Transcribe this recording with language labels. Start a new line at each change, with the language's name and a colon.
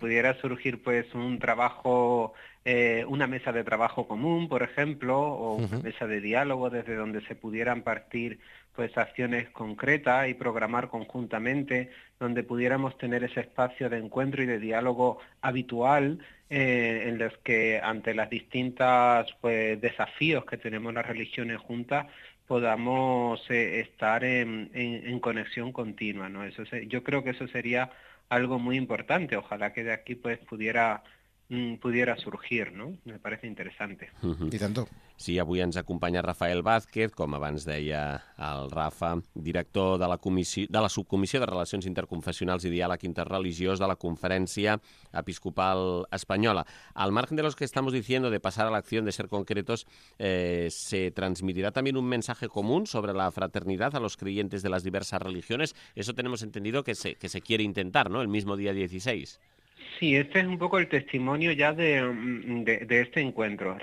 Spanish: pudiera surgir pues un trabajo, una mesa de trabajo común, por ejemplo, o una mesa de diálogo desde donde se pudieran partir pues acciones concretas y programar conjuntamente, donde pudiéramos tener ese espacio de encuentro y de diálogo habitual, en los que ante las distintas pues desafíos que tenemos las religiones juntas podamos estar en conexión continua, ¿no? Eso se, yo creo que eso sería algo muy importante. Ojalá que de aquí pues pudiera surgir, ¿no? Me parece interesante.
Catalan: I tanto. Sí, avui ens acompanya Rafael Vázquez, com abans deia el Rafa, director de la Subcomissió de Relacions Interconfessionals i Diàleg Interreligiós de la Conferència Episcopal Espanyola.
Spanish: Al margen de los que estamos diciendo de pasar a la acción, de ser concretos, ¿se transmitirá también un mensaje común sobre la fraternidad a los creyentes de las diversas religiones? Eso tenemos entendido que se quiere intentar, ¿no?, el mismo día 16. Sí, este es un poco el testimonio ya de este encuentro.